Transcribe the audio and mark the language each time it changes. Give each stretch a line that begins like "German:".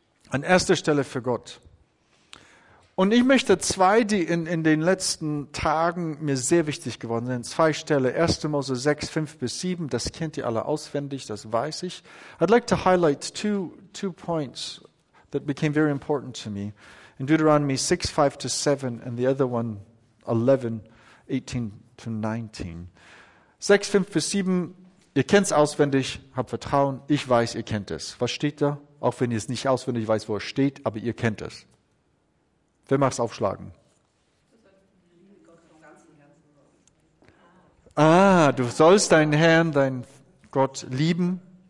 German: An erster Stelle für Gott. Und ich möchte zwei, die in den letzten Tagen mir sehr wichtig geworden sind, zwei Stelle, 1. Mose 6, 5 bis 7, das kennt ihr alle auswendig, das weiß ich.
English: I'd like to highlight two points that became very important to me. In Deuteronomy 6, 5 to 7 and the other one 11, 18 to 19.
German: 6, 5 bis 7, ihr kennt es auswendig, habt Vertrauen, ich weiß, ihr kennt es. Was steht da? Auch wenn ihr es nicht auswendig weiß, wo es steht, aber ihr kennt es. Wer mag es aufschlagen? Ah, du sollst deinen Herrn, deinen Gott lieben.